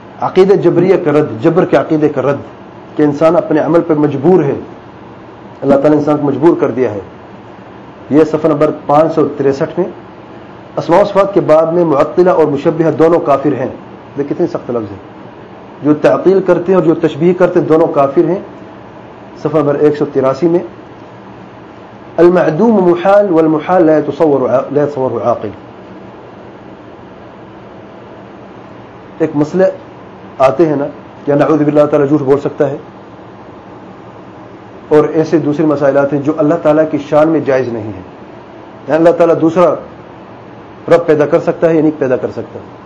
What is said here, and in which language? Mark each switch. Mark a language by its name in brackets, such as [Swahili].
[Urdu] عقیدہ جبریہ کا رد، جبر کے عقیدے کا رد، کہ انسان اپنے عمل پر مجبور ہے، اللہ تعالیٰ انسان کو مجبور کر دیا ہے، یہ صفحہ نمبر 563 میں. اسماء و صفات کے بعد میں معطلہ اور مشبہ دونوں کافر ہیں. یہ کتنے سخت لفظ ہیں، جو تعطیل کرتے ہیں اور جو تشبیہ کرتے ہیں دونوں کافر ہیں، صفحہ نمبر 183 میں. [Arabic] المعدوم محال والمحال لا يتصوره عاقل. [Urdu] ایک مسئلہ آتے ہیں نا، کیا نعوذ باللہ تعالیٰ جھوٹ بول سکتا ہے، اور ایسے دوسرے مسائل آتے ہیں جو اللہ تعالیٰ کی شان میں جائز نہیں ہے. یعنی اللہ تعالیٰ دوسرا رب پیدا کر سکتا ہے یا نہیں پیدا کر سکتا.